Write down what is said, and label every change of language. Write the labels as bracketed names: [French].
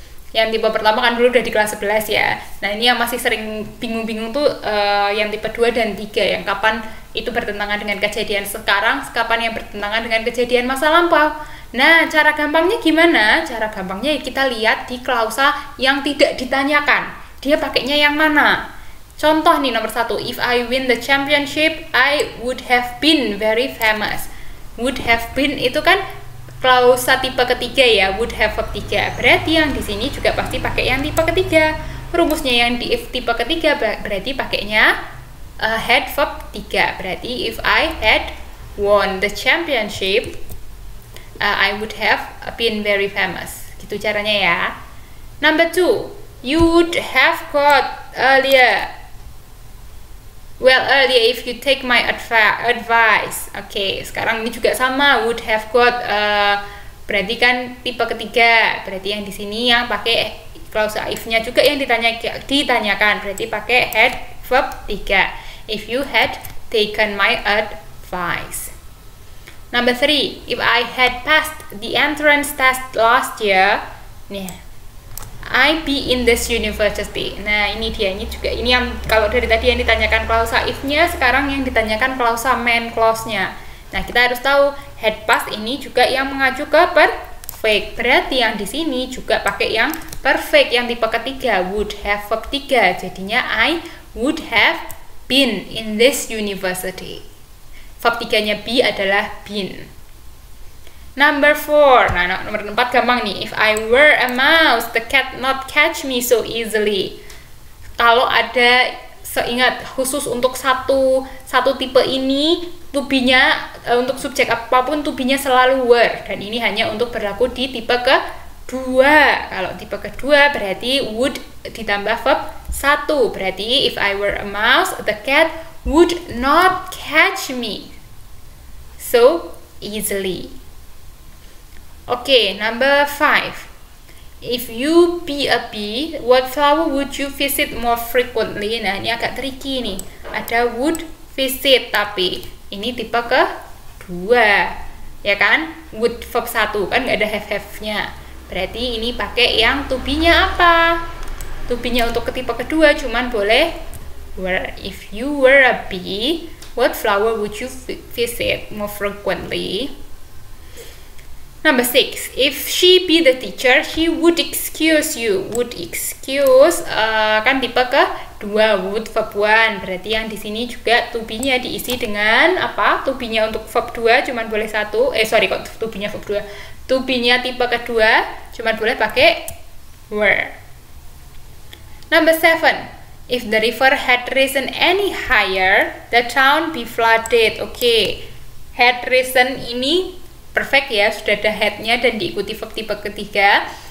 [Indonesian] Yang tipe pertama kan dulu udah di kelas 11 ya. Nah, ini yang masih sering bingung-bingung tuh yang tipe 2 dan 3, yang kapan itu bertentangan dengan kejadian sekarang, kapan yang bertentangan dengan kejadian masa lampau. Nah, cara gampangnya gimana? Cara gampangnya kita lihat di klausa yang tidak ditanyakan. Dia pakainya yang mana? Contoh nih nomor 1, [English] if I win the championship, I would have been very famous. Would have been [Indonesian] itu kan klausa tipe ketiga ya, would have verb 3. Berarti yang di sini juga pasti pakai yang tipe ketiga. Rumusnya yang di if tipe ketiga berarti pakainya had verb 3. [English] Berarti if I had won the championship, I would have been very famous. Gitu caranya ya. Number 2, you would have got earlier. Well, earlier if you take my advice. [Indonesian] Okay, sekarang ini juga sama. [English] Would have got, [Indonesian] berarti kan tipe ketiga. Berarti yang di sini yang pakai klausa if-nya juga yang ditanyakan. Berarti pakai [English] had verb 3. If you had taken my advice. Number 3. If I had passed the entrance test last year, nih, I be in this university. [Indonesian] Nah, ini dia, ini juga. Ini yang kalau dari tadi yang ditanyakan klausa if-nya, sekarang yang ditanyakan klausa main clause-nya. Nah, kita harus tahu [English] had passed [Indonesian] ini juga yang mengacu ke perfect. Berarti yang di sini juga pakai yang perfect yang tipe ketiga, would have verb 3. [English] Jadinya I would have been in this university. [Indonesian] Verb 3-nya be adalah been. [English] Number 4, [Indonesian] nah nomor 4 gampang nih. [English] If I were a mouse, the cat not catch me so easily. [Indonesian] Kalau ada, seingat khusus untuk satu tipe ini, to be-nya untuk subjek apapun to be-nya selalu were. Dan ini hanya untuk berlaku di tipe kedua. Kalau tipe kedua berarti would ditambah verb 1. [English] Berarti if I were a mouse, the cat would not catch me so easily. Okay, number 5. If you be a bee, what flower would you visit more frequently? [Indonesian] Nah, ini agak tricky nih. Ada would visit, tapi ini tipe kedua. Ya kan? Would verb 1, kan nggak ada have-have-nya. Berarti ini pakai yang to be-nya apa? To be-nya untuk ke tipe kedua, cuman boleh were. [English] If you were a bee, what flower would you visit more frequently? Number 6, if she be the teacher, she would excuse you. Would excuse, [Indonesian] kan tipe ke 2, would verb 1. Berarti yang di sini juga to be-nya diisi dengan apa? To be-nya untuk verb 2 cuma boleh 1. Sorry, kok to be-nya verb 2. To be-nya tipe ke 2 cuma boleh pakai were. [English] Number 7. If the river had risen any higher, the town be flooded. Okay. Had risen [Indonesian] ini perfect ya, sudah ada had-nya dan diikuti verb tipe ketiga.